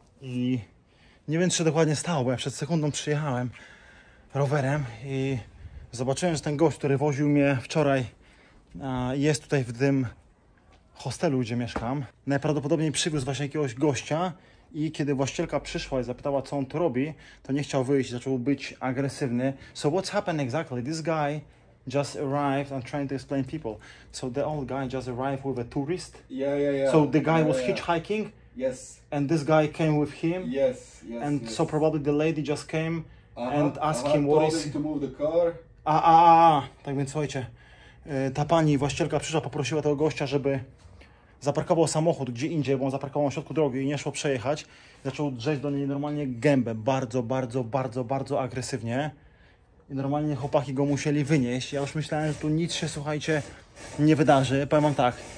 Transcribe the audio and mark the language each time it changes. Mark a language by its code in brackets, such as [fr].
[pl] I nie wiem, czy dokładnie stało, bo ja przed sekundą przyjechałem rowerem i zobaczyłem, że ten gość, który woził mnie wczoraj, jest tutaj w tym hostelu, gdzie mieszkam. Najprawdopodobniej przywiózł właśnie jakiegoś gościa i kiedy właścicielka przyszła i zapytała, co on tu robi, to nie chciał wyjść, zaczął być agresywny. [en] So what's happened exactly? This guy just arrived, I'm trying to explain people. So the old guy just arrived with a tourist. Yeah. So the guy was hitchhiking. Yes. And this guy came with him. Yes. So probably the lady just came and asked him what is... to move the car. [pl] Tak więc słuchajcie. Ta pani właścicielka przyszła, poprosiła tego gościa, żeby zaparkował samochód gdzie indziej, bo on zaparkował na środku drogi i nie szło przejechać. Zaczął drzeć do niej normalnie gębę, bardzo agresywnie. I normalnie chłopaki go musieli wynieść. Ja już myślałem, że tu nic się, słuchajcie, nie wydarzy. Powiem wam tak.